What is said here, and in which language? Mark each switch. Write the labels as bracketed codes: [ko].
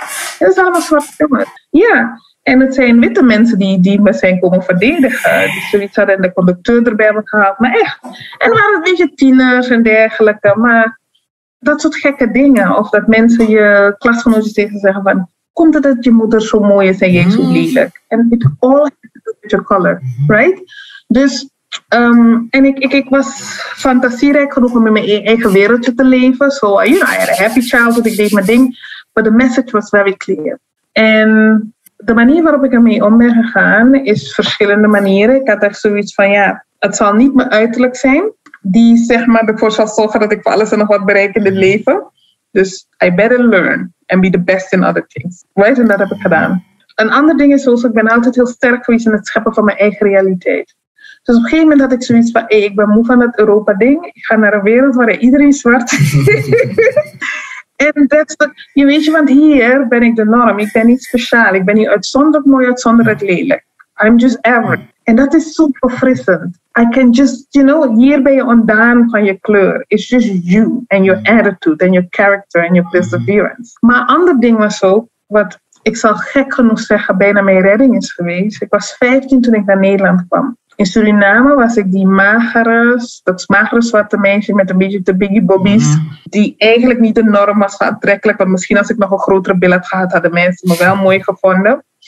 [nl] En dat is allemaal zwarte jongens. Ja, en het zijn witte mensen die me zijn komen verdedigen. Dus zoiets hadden de conducteur erbij me gehaald. Maar echt, en waren het een beetje tieners en dergelijke. Maar dat soort gekke dingen. Of dat mensen je klasgenootjes tegen zeggen van, komt het dat je moeder zo mooi is en jij zo lelijk? [en] En it all has to do with your color, right? [nl] Dus, en ik was fantasierijk genoeg om in mijn eigen wereldje te leven. [en] So, you know, I had a happy childhood, [nl] ik deed mijn ding. [en] But the message was very clear. [nl] En de manier waarop ik ermee om ben gegaan is verschillende manieren. Ik had echt zoiets van, ja, het zal niet mijn uiterlijk zijn die zeg maar ervoor zal zorgen dat ik voor alles en nog wat bereik in dit leven. [en] Dus I better learn and be the best in other things. Right? [nl] En dat heb ik gedaan. Een ander ding is zoals, ik ben altijd heel sterk geweest in het scheppen van mijn eigen realiteit. Dus op een gegeven moment had ik zoiets van, hey, ik ben moe van het Europa-ding. Ik ga naar een wereld waar iedereen zwart is. En je weet je, want hier ben ik de norm. Ik ben niet speciaal. Ik ben niet uitzonderlijk mooi, uitzonderlijk lelijk. [en] I'm just average. [nl] En dat is super frissend. [en] I can just, you know, [nl] hier ben je ontdaan van je kleur. [en] It's just you and your attitude and your character and your perseverance. [nl] Maar een ander ding was ook, wat ik zal gek genoeg zeggen, bijna mijn redding is geweest. Ik was 15 toen ik naar Nederland kwam. In Suriname was ik die magere, dat magere zwarte meisje met een beetje de biggie bobbies. Die eigenlijk niet de norm was aantrekkelijk. Want misschien als ik nog een grotere bil had gehad, hadden mensen me wel mooi gevonden.